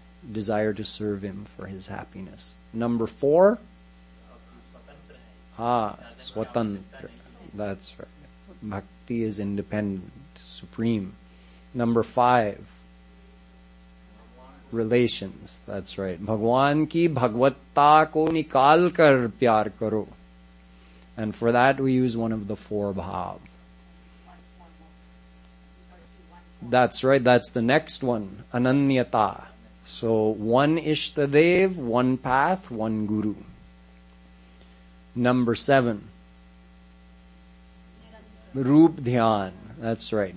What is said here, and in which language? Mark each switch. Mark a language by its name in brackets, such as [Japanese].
[English] Desire to serve Him for His happiness. Number four? Swatantra. That's right. Bhakti is independent, supreme. Number five? Relations. That's right. [Hindi] भगवान की भगवत्ता को निकाल कर प्यार करो. [English] And for that we use one of the four bhav. That's right, that's the next one, ananyata. So one ishtadev, one path, one guru. Number seven, rup dhyan. That's right.